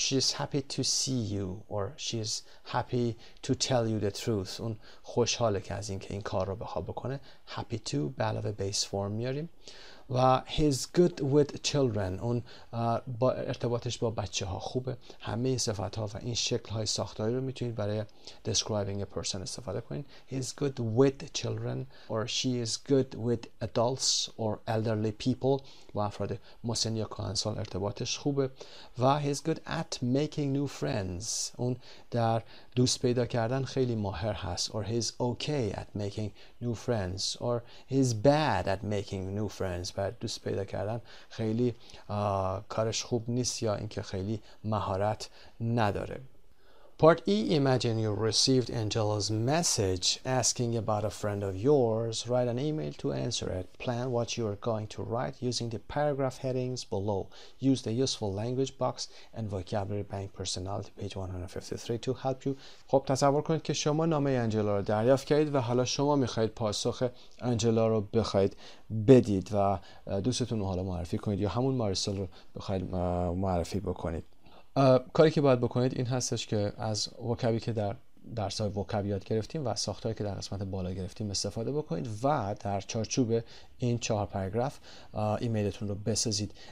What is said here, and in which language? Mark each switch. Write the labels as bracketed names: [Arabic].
[English] She's happy to see you, or she's happy to tell you the truth. [Persian] اون خوشحاله که از این که این کار رو بخواد بکنه. Happy to به علاوه base form میاریم. [English] و he's good with children. [Persian] اون با ارتباطش با بچه ها خوبه. همه صفات ها و این شکل های ساختاری رو میتونید برای [English] describing a person [Persian] استفاده کنید. [English] He's good with children, or she is good with adults or elderly people. [Persian] و افراد مسن یا کهنسال ارتباطش خوبه. [English] و he's good at making new friends. [Persian] اون در دوست پیدا کردن خیلی ماهر هست. [English] Or he's okay at making new friends. Or he's bad at making new friends. [Persian] بعد دوست پیدا کردن خیلی کارش خوب نیست یا اینکه خیلی مهارت نداره. [English] Part E: Imagine you received Angela's message asking about a friend of yours. Write an email to answer it. Plan what you are going to write using the paragraph headings below. Use the useful language box and vocabulary bank personality page 153 to help you. [Persian] خب تصور کنید که شما نامه انجلا رو دریافت کردید و حالا شما میخواید پاسخ انجلا رو بخواید بدید و دوستتون رو حالا معرفی کنید یا همون مارسل رو بخواید معرفی بکنید. کاری که باید بکنید این هستش که از وکبی که در درس‌های وکب یاد گرفتیم و ساختاری که در قسمت بالا گرفتیم استفاده بکنید و در چارچوب این چهار پاراگراف ایمیلتون رو بسازید.